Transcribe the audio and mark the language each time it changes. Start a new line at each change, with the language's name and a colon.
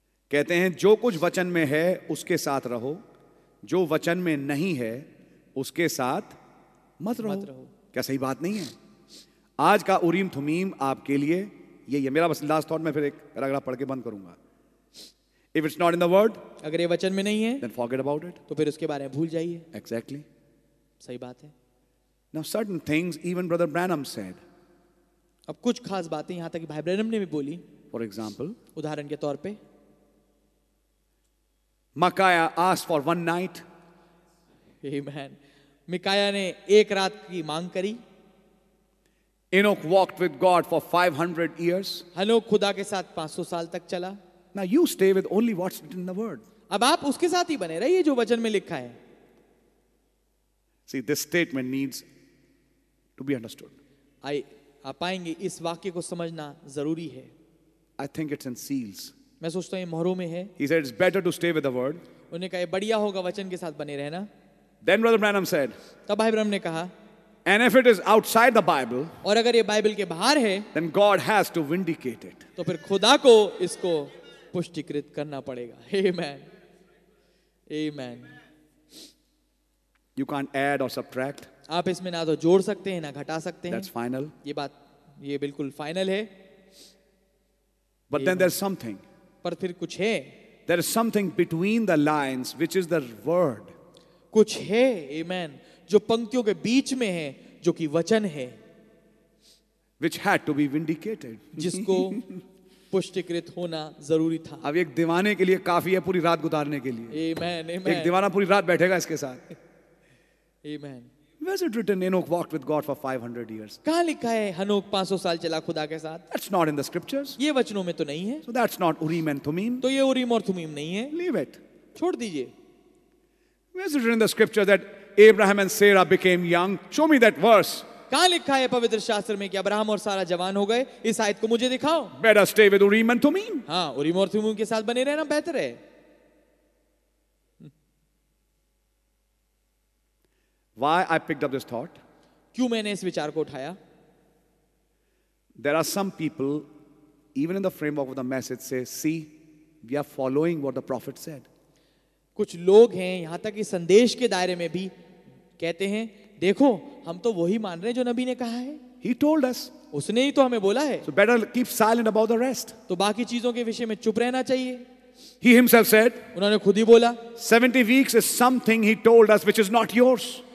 Hindi: कहते हैं जो कुछ वचन में है उसके साथ रहो, जो वचन में नहीं है उसके साथ मत रहो. क्या सही बात नहीं है? आज का उरीम थुमीम आपके लिए यही है. मेरा बस लास्ट थॉट, मैं फिर एक रगड़ा पढ़ के बंद करूंगा.
English: If it's not in the word,
Hindi: अगर ये वचन में नहीं है,
English: then forget about it.
Hindi: तो फिर उसके बारे में भूल जाइए.
English: Exactly.
Hindi: सही बात है.
English: Now certain things even Brother Branham said.
Hindi: अब कुछ खास बातें यहाँ तक भाई ब्रैनम ने भी बोली.
English: For example,
Hindi: उदाहरण के तौर पे,
English: Micaiah asked for one night. Amen.
Hindi: मिकाया ने एक रात की मांग करी.
English: Enoch walked with God for 500 years.
Hindi: हनोक खुदा के साथ 500 साल तक चला.
English: Now you stay with only what's written in the word.
Hindi: अब आप उसके साथ ही बने रहिए जो वचन में लिखा है.
English: See, this statement needs to be understood.
Hindi: आप पाएंगे इस वाक्य को समझना जरूरी है.
English: I think it's in seals.
Hindi: मैं सोचता हूँ मोहरों में है.
English: He said it's better to stay with the word.
Hindi: उन्हें कहा बढ़िया होगा वचन के साथ बने रहना.
English: Then Brother Branham said.
Hindi: तब भाई ब्रह्म ने कहा.
English: And if it is outside the Bible,
Hindi: और अगर ये बाइबल के बाहर है,
English: then God has to vindicate it.
Hindi: तो फिर खुदा को इसको पुष्टिकृत करना पड़ेगा.
English: Amen. Amen. You can't add or subtract.
Hindi: आप इसमें ना तो जोड़ सकते हैं ना घटा सकते हैं.
English: That's final.
Hindi: ये बात ये बिल्कुल final है.
English: But then there's something.
Hindi: पर फिर कुछ है.
English: There is something between the lines, which is the word.
Hindi: कुछ है. Amen. जो पंक्तियों के बीच में है जो कि वचन है.
English: Which had to be vindicated.
Hindi: जिसको पुष्टिकृत होना जरूरी था. अब एक दीवाने के लिए काफी है पूरी रात गुजारने के लिए.
English: Amen, amen.
Hindi: एक दीवाना पूरी रात बैठेगा इसके साथ.
English: Amen. Was it written Enoch walked with God for 500 years?
Hindi: कहाँ लिखा है हनोक 500 साल चला खुदा के साथ?
English: That's not in the scriptures.
Hindi: ये वचनों में तो नहीं है.
English: So that's not Urim and Thummim.
Hindi: तो ये उरीम और थुमीम नहीं है.
English: Leave it.
Hindi: छोड़ दीजिए.
English: Was it written in the scriptures that Abraham and Sarah became young? Show me that verse.
Hindi: कहाँ लिखा है पवित्र शास्त्र में कि अब्राहम और सारा जवान हो गए? इस आयत को मुझे दिखाओ.
English: Better stay with Urim and Thummim.
Hindi: हाँ, उरीम और थुमीम के साथ बने रहना बेहतर है.
English: Why I picked up this thought?
Hindi: क्यों मैंने इस विचार को उठाया?
English: There are some people, even in the framework of the message, say, "See, we are following what the prophet said."
Hindi: कुछ लोग हैं यहाँ तक कि संदेश के दायरे में भी कहते हैं, देखो हम तो वही मान रहे हैं जो नबी ने कहा है.
English: He told us.
Hindi: उसने ही तो हमें बोला है.
English: So better keep silent about the rest.
Hindi: तो बाकी चीजों के विषय में चुप रहना चाहिए.
English: He himself said.
Hindi: उन्होंने खुद ही बोला.
English: 70 weeks is something he told us which is not yours.